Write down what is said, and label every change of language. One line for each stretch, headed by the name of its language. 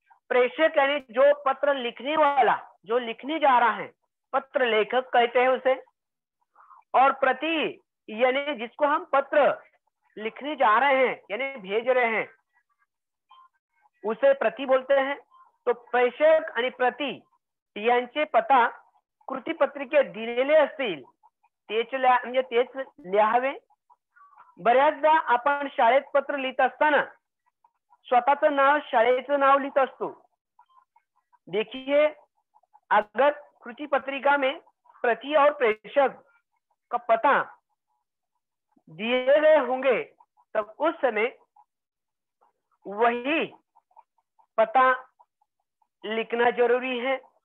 Hindi: प्रेषक यानी जो पत्र लिखने वाला, जो लिखने जा रहा है, पत्र लेखक कहते हैं उसे, और प्रति यानी जिसको हम पत्र लिखने जा रहे हैं यानी भेज रहे हैं उसे प्रति बोलते हैं।
Marathi: तो प्रेषक आणि प्रति यांचे पता कृती पत्रिके दिलेले असतील तेच म्हणजे तेच लिहावे। बऱ्याचदा आपण शाळेत पत्र लिहित असताना स्वतःचं नाव शाळेचं नाव लिहित असतो।
Hindi: देखिए अगर कृती पत्रिका में प्रति और प्रेषक का पता दिए गए होंगे, तब उस समय वही पता लिखना जरूरी है।